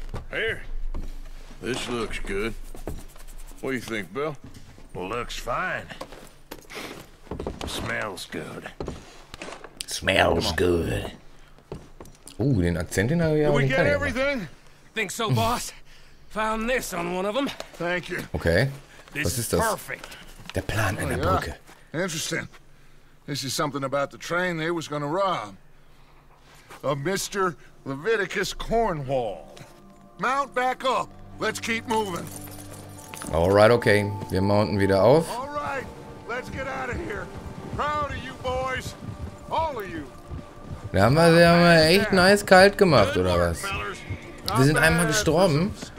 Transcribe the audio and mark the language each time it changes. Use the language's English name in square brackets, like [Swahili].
[English] Here. This looks good. What do you think, Bill? Looks fine. Smells good. Smells good. [German] Den Akzent, den habe ich ja auch nicht gehört. [English] We get everything? Think so, boss? Found this on one of them. Thank you. [German] Okay. Was ist das? Der Plan einer Brücke. [English] Interesting. This is something about the train they was gonna rob. A Mr. Leviticus Cornwall. Mount back up. Let's keep moving. [German] Alright, okay. Wir mounten wieder auf. [English] Alright, let's get out of here. Proud of you boys. All of you. [German] Da haben wir echt nice kalt gemacht, oder was? Wir sind einmal gestorben.